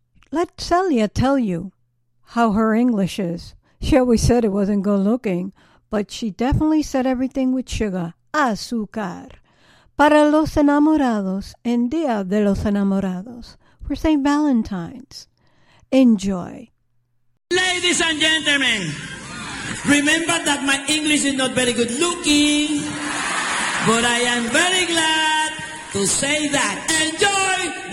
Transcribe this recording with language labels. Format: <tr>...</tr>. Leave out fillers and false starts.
<en>Let Celia tell you how her English is. She always said it wasn't good looking, but she definitely said everything with sugar.</en> <es>Azúcar. Para los enamorados, en día de los enamorados.</es> <en>For St. Valentine's. Enjoy. Ladies and gentlemen, remember that my English is not very good looking, but I am very glad to say that.</en>